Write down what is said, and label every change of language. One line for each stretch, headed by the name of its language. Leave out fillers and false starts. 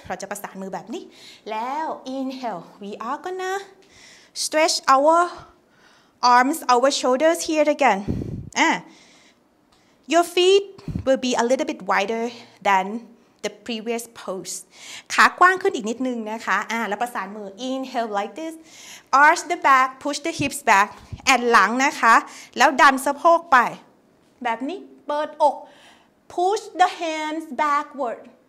Thai: เราจะประสานมือแบบนี้แล้ว inhale.
English: We are gonna stretch our arms, our shoulders here again. Your feet will be a little bit wider than the previous pose.
Thai: ขากว้างขึ้นอีกนิดนึงนะคะแล้วประสานมือ inhale like this.
English: Arch the back, push the hips back.
Thai: แอนหลังนะคะแล้วดันสะโพกไปแบบนี้เปิดอกPush
English: the hands backward.